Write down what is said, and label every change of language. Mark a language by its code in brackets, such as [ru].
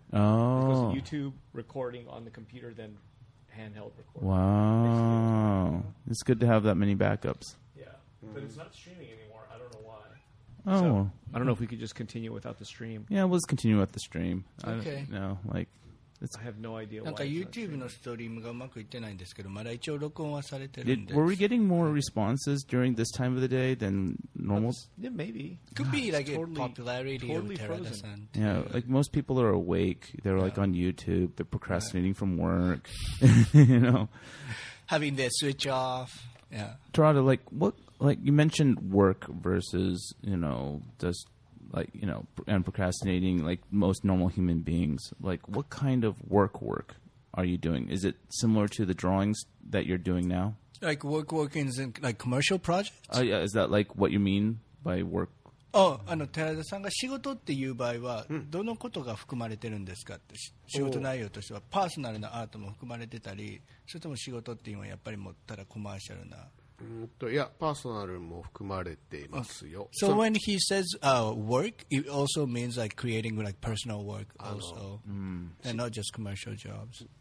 [en] Oh. Because YouTube recording on the computer, then handheld recording. Wow. It's good to have that many backups. But it's not streaming anymore. I don't know why. Oh. So, I don't know if we could just continue without the stream. Yeah, we'll just continue without the stream. Okay. I have no idea why. [ja] YouTube のストリームがうまくいってないんですけど、まだ一応録音はされてるんです。 [en] Were we getting more responses during this time of the day than normal? Yeah, maybe. Could be like a popularity of Terada-san. Yeah, like most people are awake. They're like on YouTube. They're procrastinating from work. You know. Having their switch off. Yeah. Terada, like what? Like you mentioned work versus, you know, just like, you know, and procrastinating like most normal human beings. Like what kind of work are you doing? Is it similar to the drawings that you're doing now? Like work is in like commercial projects? Oh, yeah. Is that like what you mean by work? [ja] Oh, Terada-san が仕事っていう場合はどのことが含まれてるんですかって、仕事内容としてはパーソナルなアートも含まれてたり、それとも仕事っていうのはやっぱりもうただコマーシャルな。 Yeah, personal も含まれていますよ。 [en] So when he says work, it also means like creating like personal work also, and not just commercial jobs.